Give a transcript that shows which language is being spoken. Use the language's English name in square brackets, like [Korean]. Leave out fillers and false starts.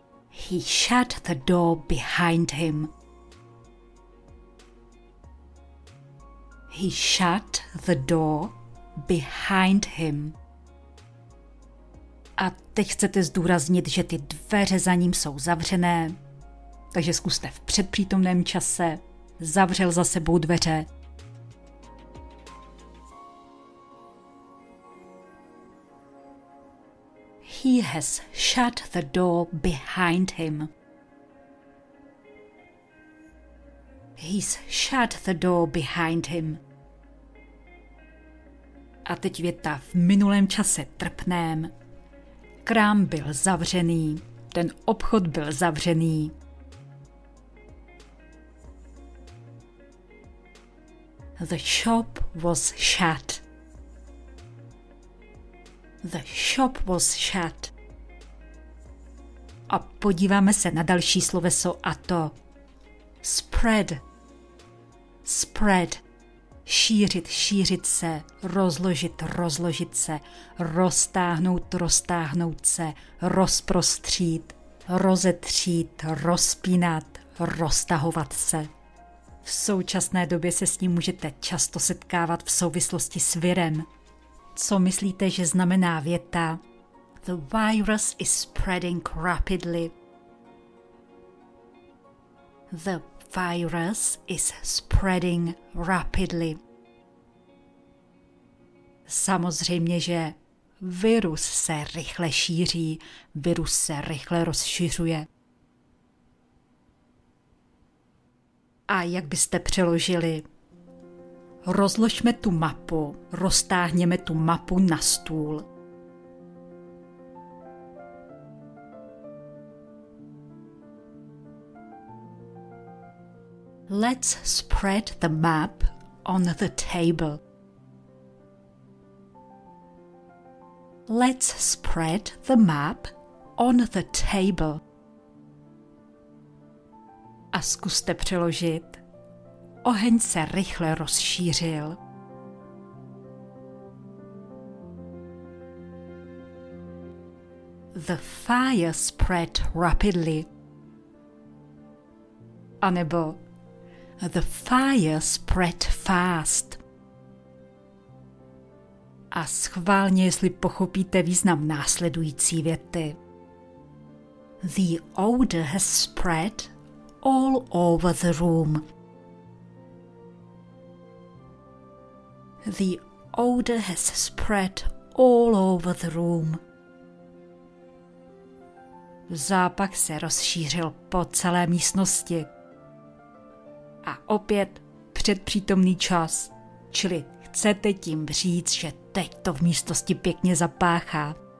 [English] He shut the door behind him. He shut the door behind him. [Czech] A teď chcete zdůraznit, že ty dveře za ním jsou zavřené, takže zkuste v předpřítomném čase. Zavřel za sebou dveře. [English] He has shut the door behind him. He's shut the door behind him. [Czech] A teď věta v minulém čase trpném. Krám byl zavřený, ten obchod byl zavřený. [English] The shop was shut. The shop was shut. [Czech] A podíváme se na další sloveso, a to spread. Spread. Šířit, šířit se, rozložit, rozložit se, roztáhnout, roztáhnout se, rozprostřít, rozetřít, rozpínat, roztahovat se. V současné době se s ním můžete často setkávat v souvislosti s virem. Co myslíte, že znamená věta? [English] The virus is spreading rapidly. The virus is spreading rapidly. [Czech] Samozřejmě, že virus se rychle šíří, virus se rychle rozšiřuje. A jak byste přeložili? Rozložme tu mapu, roztáhněme tu mapu na stůl. [English] Let's spread the map on the table. Let's spread the map on the table. [Czech] A zkuste přeložit. Oheň se rychle rozšířil. [English] The fire spread rapidly. Anebo the fire spread fast. [Czech] A schválně, jestli pochopíte význam následující věty. [English] The odor has spread all over the room. The odor has spread all over the room. [Czech] Zápach se rozšířil po celé místnosti. A opět předpřítomný čas, čili chcete tím říct, že teď to v místnosti pěkně zapáchá.